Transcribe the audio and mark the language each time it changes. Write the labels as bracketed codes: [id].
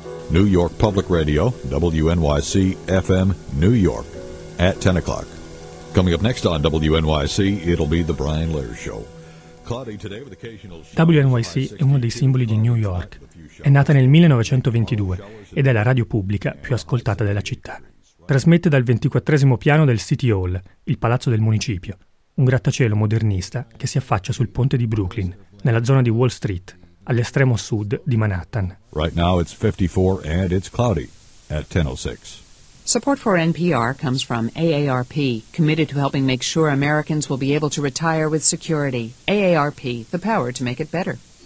[en] New York Public Radio, WNYC FM, New York, at 10 o'clock. Coming up next on WNYC, it'll be the Brian Lehrer Show. Cloudy today with occasional showers. [it] WNYC è uno dei simboli di New York. È nata nel 1922 ed è la radio pubblica più ascoltata della città. Trasmette dal 24esimo piano del City Hall, il palazzo del municipio, un grattacielo modernista che si affaccia sul ponte di Brooklyn, nella zona di Wall Street, all'estremo sud di Manhattan. [en] Right now it's 54 and it's cloudy at 10:06. Support for NPR comes from AARP, committed to helping make sure Americans will be able to retire with security. AARP, the power to make it better.